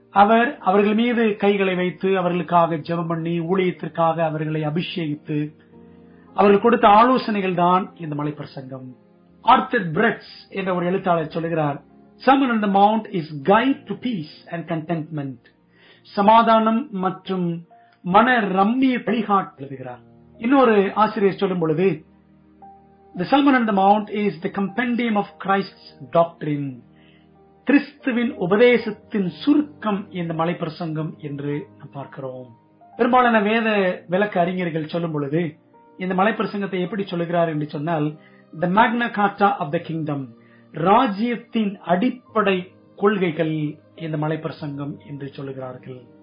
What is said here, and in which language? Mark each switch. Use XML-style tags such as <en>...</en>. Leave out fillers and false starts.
<ta>அவர் அவர்கள் மீது கைகளை வைத்து அவர்களுக்காக ஜெபம் பண்ணி ஊழியத்திற்காக அவர்களை அபிஷேகித்து அவர்கள் கொடுத்த ஆலோசனைகள் தான் இந்த மலைப்பிரசங்கம். ஆர்த்தர் பிரெட்ஸ் என்ற ஒரு எழுத்தாளர் சொல்கிறார்,</ta> <en>Sermon on the Mount is guide to peace and contentment.</en> <ta>சமாதானம் மற்றும் மன ரம்மியை வழிகாட்டுகிறார். இன்னொரு ஆசிரியர் சொல்லும் பொழுது,</ta> <en>The Sermon on the Mount is the compendium of Christ's doctrine.</en> <ta>கிறிஸ்துவின் உபதேசத்தின் சுருக்கம் இந்த மலை பிரசங்கம் என்று நாம் பார்க்கிறோம். பெரும்பாலான வேத விளக்க அறிஞர்கள் சொல்லும் பொழுது இந்த மலை பிரசங்கத்தை எப்படி சொல்கிறார் என்று சொன்னால்,</ta> <en>the Magna Carta of the kingdom,</en> <ta>ராஜ்யத்தின் அடிப்படை கொள்கைகள் இந்த மலை பிரசங்கம் என்று சொல்லுகிறார்கள்.</ta>